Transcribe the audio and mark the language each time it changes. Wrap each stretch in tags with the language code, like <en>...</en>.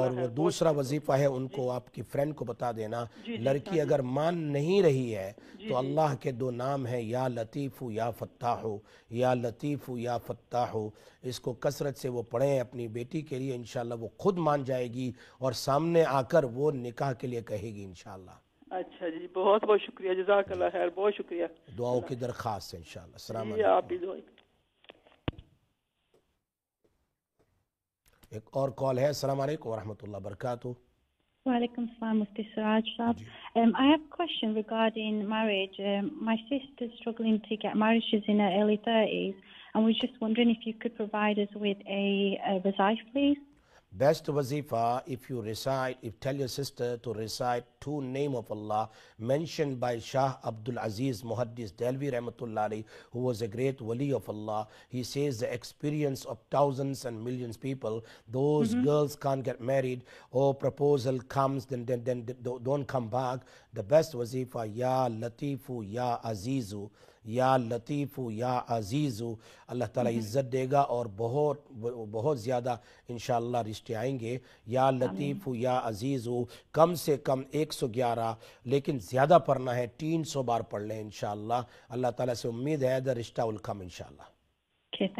<ur>اور وہ دوسرا وظیفہ ہے ان کو آپ کی فرینڈ کو بتا دینا لڑکی اگر مان نہیں رہی ہے تو اللہ کے دو نام ہیں یا لطیف یا فتح یا لطیف یا فتح اس کو کثرت سے وہ پڑھیں اپنی بیٹی کے لیے انشاءاللہ وہ خود مان جائے گی اور سامنے آ کر وہ نکاح کے لیے کہے گی انشاءاللہ اچھا جی بہت بہت شکریہ جزاک اللہ خیر بہت شکریہ دعاؤں کی درخواست ہے انشاءاللہ السلام علیکم آپ بھی دعائیں ایک اور کال ہے السلام علیکم ورحمۃ اللہ وبرکاتہ</ur> <en>وعلیکم السلام مفتی سراج صاحب I have a question regarding marriage my sister is struggling to get married she's in her early 30s and we're just wondering if you could provide us with a wazife please Best wazifa, if tell your sister to recite two names of Allah mentioned by Shah Abdul Aziz Muhaddis Delvi Rahmatullahi, who was a great wali of Allah. He says the experience of thousands and millions of people, those girls can't get married, or proposal comes, then don't come back. The best wazifa, Ya Latifu, Ya Azizu.</en> <ur>یا لطیف یا عزیز اللہ تعالیٰ عزت دے گا اور بہت بہت زیادہ انشاءاللہ رشتے آئیں گے یا لطیف یا عزیز کم سے کم 111 لیکن زیادہ پڑھنا ہے 300 بار پڑھ لیں انشاءاللہ اللہ تعالیٰ سے امید ہے</ur> <en>the رشتہ will come</en> <ur>انشاءاللہ</ur>